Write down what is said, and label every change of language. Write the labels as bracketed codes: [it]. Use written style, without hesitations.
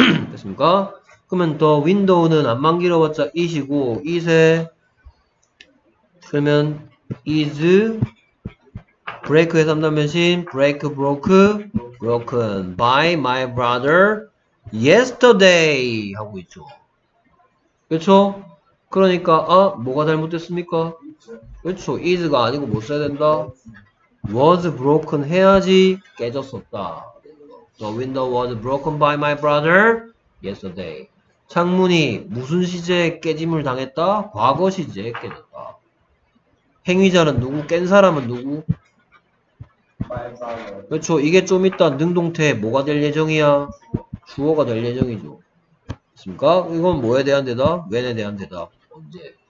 [ko] 됐습니까? 그러면 더 윈도우는 안만 길어봤자 is이고 is에 그러면 is break 회삼단변신 [en] break broke broken by my brother yesterday [ko] 하고 있죠. 그렇죠? 그러니까 뭐가 잘못됐습니까? 그렇죠. is가 아니고 뭐 써야 된다? [en] was broken [ko] 해야지 깨졌었다. [en] The window was broken by my brother yesterday. [ko] 창문이 무슨 시제에 깨짐을 당했다? 과거 시제에 깨졌다. 행위자는 누구? 깬 사람은 누구? 그렇죠. 이게 좀 이따 능동태에 뭐가 될 예정이야? 주어가 될 예정이죠. 맞습니까? 이건 뭐에 대한 대답? when에 대한 대답. 언제.